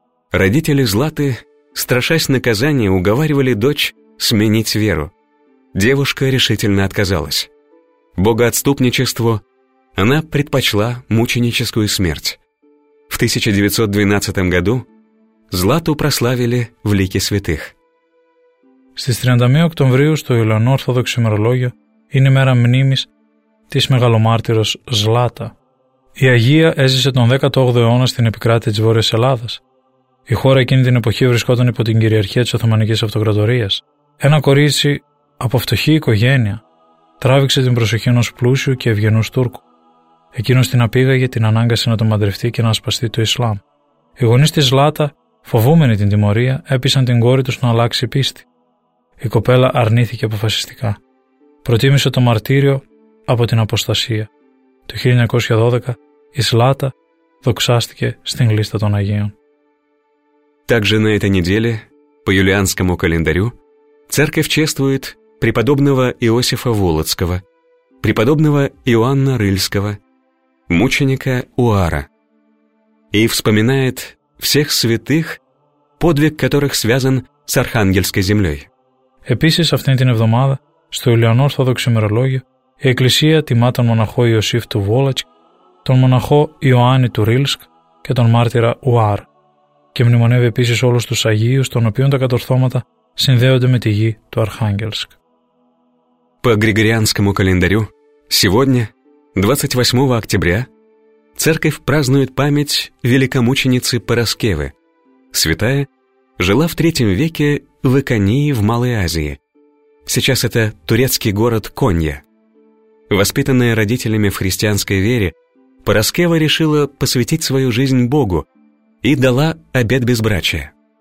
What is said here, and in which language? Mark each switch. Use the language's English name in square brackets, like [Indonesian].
[Russian] Родители Златы, страшась наказания, уговаривали дочь сменить веру. Девушка решительно отказалась. Богоотступничеству она предпочла мученическую смерть. В 1912 году Злату прославили в лике святых. [Greek] Στις 31 Οκτωβρίου στο Ιουλιανό Ορθόδοξο ημερολόγιο είναι η μέρα μνήμης της μεγαλομάρτυρος Ζλάτα. Η Αγία έζησε τον 18ο αιώνα στην επικράτεια της Βόρειας Ελλάδας. Η χώρα εκείνη την εποχή βρισκόταν υπό την κυριαρχία της Οθωμανικής Αυτοκρατορίας. Ένα κορίτσι από φτωχή οικογένεια τράβηξε την προσοχή ενός πλούσιου και ευγενούς Τούρκου. Εκείνος την απήγαγε, την ανάγκασε να τον παντρευτεί και να ασπαστεί το Ισλάμ. Οι γονείς της Ζλάτα, φοβούμενοι την τιμωρία, έπεισαν την κόρη τους να αλλάξει πίστη. Η κοπέλα αρνήθηκε αποφασιστικά. Προτίμησε το μαρτύριο από την αποστασία. Το 1912 η Ζλάτα δοξάστηκε στην λίστα των Αγίων. [Russian] Также на этой неделе, по юлианскому календарю, церковь чествует преподобного Иосифа Волоцкого, преподобного Иоанна Рыльского, мученика Уара, и вспоминает всех святых, подвиг которых связан с Архангельской землей. [Greek] Επίσης, αυτήν την εβδομάδα, στο Ιουλιανό Ορθόδοξο ημερολόγιο, η Εκκλησία τιμά τον μοναχό Ιωσήφ του Βόλατσκ, τον μοναχό Ιωάννη του Ρίλσκ και τον μάρτυρα Ουάρ και μνημονεύει επίσης όλους τους Αγίους, των οποίων τα κατορθώματα συνδέονται με τη γη του Αρχάγγελσκ. [Russian] По Григорианскому календарю, сегодня, 28 октября, церковь празднует память великомученицы Параскевы. Святая жила в III веке в Иконии в Малой Азии. Сейчас это турецкий город Конья. Воспитанная родителями в христианской вере, Параскева решила посвятить свою жизнь Богу и дала обет безбрачия.